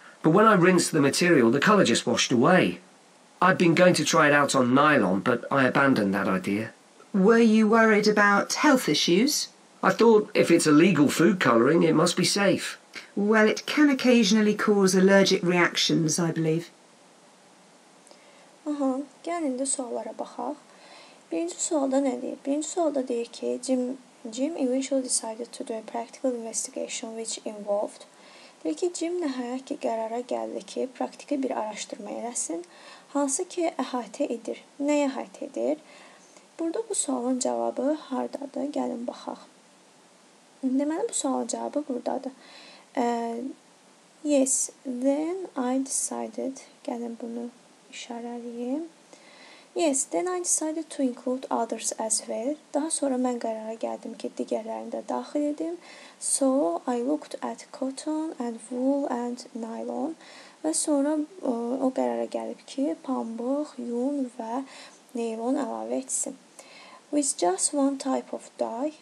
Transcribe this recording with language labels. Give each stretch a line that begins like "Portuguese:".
English: But when I rinsed the material, the colour just washed away. I'd been going to try it out on nylon, but I abandoned that idea. Were you worried about health issues? I thought if it's a legal food colouring, it must be safe. Well, it can occasionally cause allergic reactions, I believe.
Azerbaijani: Aha, gəlin də suallara baxaq. Birinci sualda nə deyir? Birinci sualda deyir ki,
English: Jim eventually decided to do a practical investigation which involved.
Azerbaijani: Deyir ki, Jim nəhayət ki, qərara gəldi ki, praktiki bir araşdırma eləsin, hansı ki, əhatə edir. Nəyə əhatə edir? Burada bu sualın cavabı hardadır? Gəlin baxaq. Deməli, bu sualın cavabı buradadır.
English: Yes, then I decided,
Azerbaijani: gəlin bunu işarə edeyim.
English: Yes, then I decided to include others as well.
Azerbaijani: Daha sonra mən qərara gəldim ki, digərlərini də daxil edim.
English: So, I looked at cotton and wool and nylon.
Azerbaijani: Və sonra o qərara gəlib ki, pambıq, yun və nylon əlavə etsin.
English: With just one type of dye.